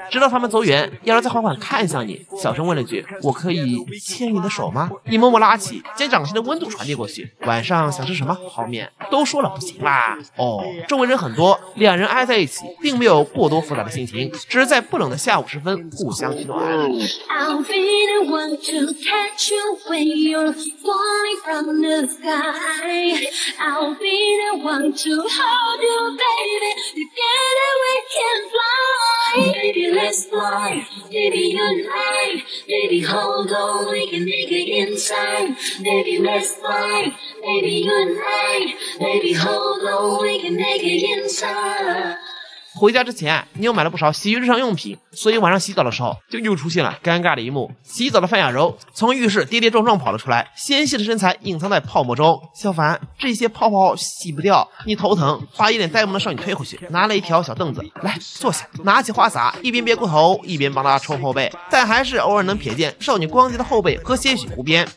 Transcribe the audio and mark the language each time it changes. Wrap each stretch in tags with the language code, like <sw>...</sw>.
<zh>直到他们走远，亚柔再缓缓看向你，小声问了句，我可以牵你的手吗？你默默拉起，将掌心的温度传递过去。晚上想吃什么？泡面。都说了不行啦。哦，周围人很多，两人挨在一起并没有过多复杂的心情，只是在不冷的下午时分互相取暖。</zh> <en>I'll be the one to catch you when you're falling from the sky. I'll be the one to hold you baby. Together we can fly. Baby let's fly. Baby you're life. Baby hold on, we can make it inside. Baby let's fly. Baby you're life. Baby hold on, we can make it inside.</en> <zh>回家之前你又买了不少洗浴日常用品，所以晚上洗澡的时候就又出现了尴尬的一幕。洗澡的范雅柔从浴室跌跌撞撞跑了出来，纤细的身材隐藏在泡沫中。小凡，这些泡泡洗不掉，你头疼。把一脸呆萌的少女推回去，拿了一条小凳子来坐下，拿起花洒一边别过头一边帮她冲后背，但还是偶尔能瞥见少女光洁的后背和些许胡边。</zh>